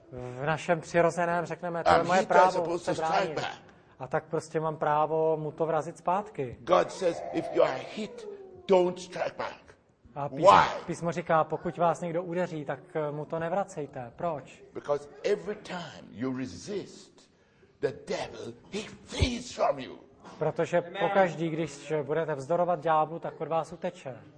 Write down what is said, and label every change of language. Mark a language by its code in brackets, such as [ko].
[cs] V našem přirozeném řekneme, to je moje právo se bránit. A tak prostě mám právo mu to vrazit zpátky. [en] God says, if you are hit, don't strike back. [cs] A písmo říká, pokud vás někdo udeří, tak mu to nevracejte. Proč? [en] Because every time you resist the devil, he flees from you. [cs] Protože pokaždý, když budete vzdorovat ďáblu, tak od vás uteče.